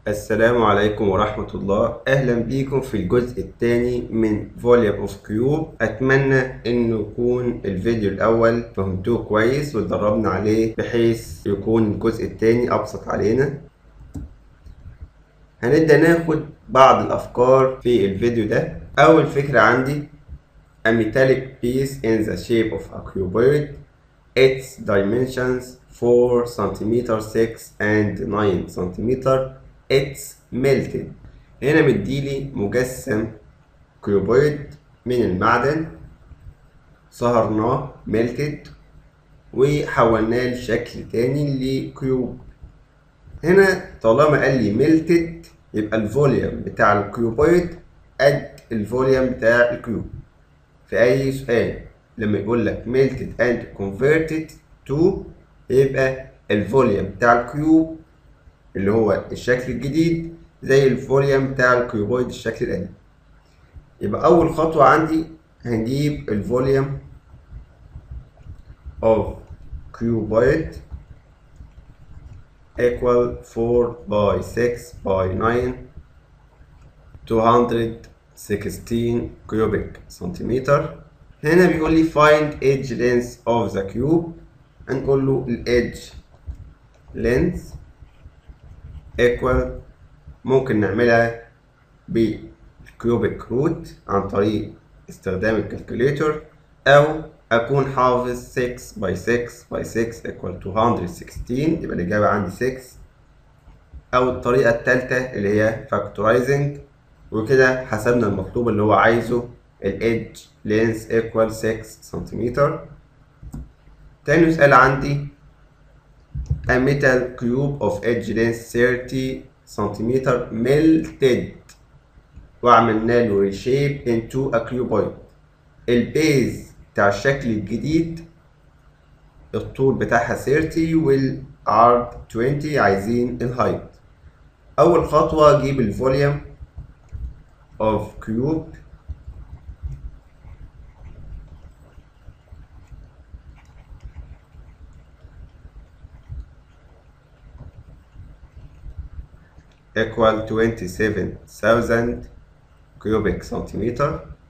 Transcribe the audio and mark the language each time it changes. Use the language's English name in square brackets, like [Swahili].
[Arabic] السلام عليكم ورحمة الله، أهلا بيكم في الجزء الثاني من Volume of Cube. أتمنى أن يكون الفيديو الأول فهمتوه كويس وتدربنا عليه بحيث يكون الجزء الثاني أبسط علينا. هنبدأ ناخد بعض الأفكار في الفيديو ده. أول فكرة عندي: [English] A metallic piece in the shape of a cuboid. Its dimensions 4 centimetre 6 and 9 centimetre. It's melted. [Arabic] هنا مديلي مجسم كيوبويد من المعدن، صهرناه melted وحولناه لشكل تاني لكيوب. هنا طالما قال لي melted يبقى الفوليوم بتاع الكيوبويد قد الفوليوم بتاع الكيوب. في أي سؤال لما يقول لك [English] melted and converted to، [Arabic] يبقى الفوليوم بتاع الكيوب اللي هو الشكل الجديد زي الفوليوم بتاع الكيوبويد الشكل القديم. يبقى أول خطوة عندي هنجيب الفوليوم [English] of cuboid equal [Arabic] 4 by 6 by 9 216 كيوبيك سنتيمتر. هنا بيقول لي [English] find edge length of the cube. [Arabic] هنقول له ال edge length equal، ممكن نعملها بالكيوبيك روت عن طريق استخدام الكالكوليتر، او اكون حافظ 6 by 6 by 6 equal 216، يبقى الاجابة عندي 6. او الطريقة التالتة اللي هي factorizing، وكده حسبنا المطلوب اللي هو عايزه ال edge length equal 6 سنتيمتر. [English] تاني سؤال عندي: A metal cube of edge length 30 centimetre melted [Arabic] وعملنا له [English] reshape into a cuboid. [Arabic] البيز بتاع الشكل الجديد الطول بتاعها 30 والعرض 20، عايزين الهايت. أول خطوة جيب الفوليوم [English] of cube equal [Arabic] 27,000 كيوبيك سنتيمتر.